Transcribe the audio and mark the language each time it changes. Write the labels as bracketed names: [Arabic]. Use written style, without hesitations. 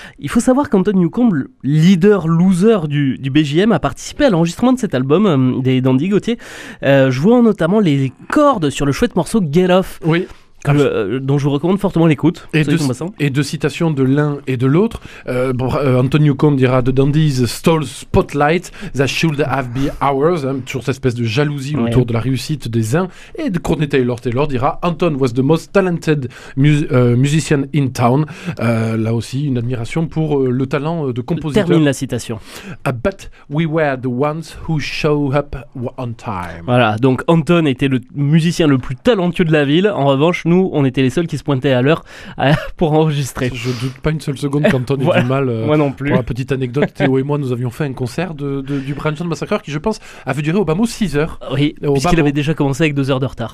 [French] Il faut savoir qu'Anton Newcombe, leader loser du BJM, a participé à l'enregistrement de cet album d'Andy Gauthier, jouant notamment les cordes sur le chouette morceau Get Off. Oui. Dont je vous recommande fortement l'écoute. Et de citations de l'un et de l'autre, Anton Newcombe dira: [English] The Dandies stole spotlight that should have been ours, [French] hein, toujours cette espèce de jalousie, ouais, autour de la réussite des uns. Et de Courtney Taylor dira: [English] Anton was the most talented musician in town. [French] Là aussi, une admiration pour le talent de compositeur. Termine la citation. [English] But we were the ones who show up on time. [French] Voilà, donc Anton était le musicien le plus talentueux de la ville. En revanche, nous, on était les seuls qui se pointaient à l'heure pour enregistrer. Je doute pas une seule seconde qu'Anton ait du mal. Moi non plus. Pour la petite anecdote, Théo et moi, nous avions fait un concert du Brian Johnson Massacreur qui, je pense, avait duré au bas mot 6 heures. Oui, puisqu'il avait déjà commencé avec 2 heures de retard.